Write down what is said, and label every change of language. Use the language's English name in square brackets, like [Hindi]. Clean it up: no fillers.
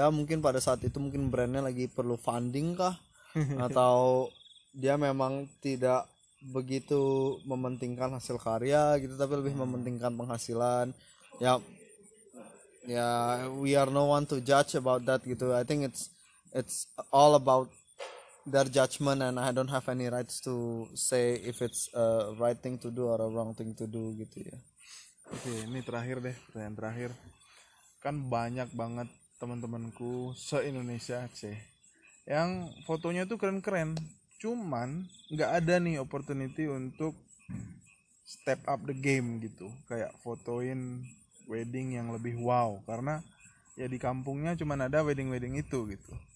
[Indonesian] Ya mungkin pada saat itu mungkin brandnya lagi perlu funding kah, atau dia memang tidak begitu mementingkan hasil karya gitu, tapi lebih mementingkan penghasilan. [English] Ya we are no one to judge about that gitu. I think it's all about their judgment, and I don't have any rights to say if it's a right thing to do or a wrong thing to do gitu ya. [Indonesian] Oke, ini terakhir deh, pertanyaan terakhir. Kan banyak banget teman-temanku se-Indonesia sih yang fotonya tuh keren-keren, cuman nggak ada nih opportunity untuk [English] step up the game [Indonesian] gitu, kayak fotoin wedding yang lebih wow, karena ya di kampungnya cuman ada wedding itu gitu.